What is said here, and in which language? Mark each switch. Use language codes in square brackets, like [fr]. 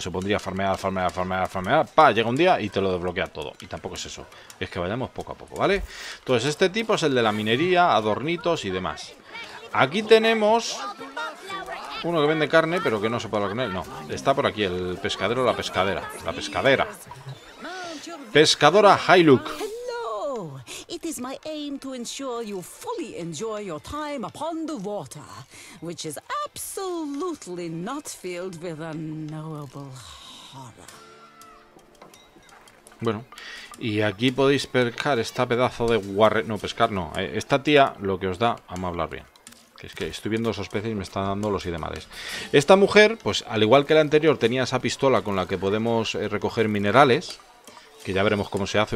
[es] Se pondría a farmear, ¡pa! Llega un día y te lo desbloquea todo. Y tampoco es eso, es que vayamos poco a poco, ¿vale? Entonces este tipo es el de la minería, adornitos y demás. Aquí tenemos uno que vende carne, pero que no se puede hablar con él. No, está por aquí, el pescadero o la pescadera. La pescadera. Pescadora Hailuk. [en] It is my aim to ensure you fully enjoy your time upon the water, which is absolutely not filled with unknowable horror. [es] Bueno, y aquí podéis pescar esta pedazo de guarre... No, pescar no. Esta tía lo que os da... Vamos a hablar bien. Es que estoy viendo esos peces y me están dando los idemales. Esta mujer, pues al igual que la anterior, tenía esa pistola con la que podemos recoger minerales. Que ya veremos cómo se hace.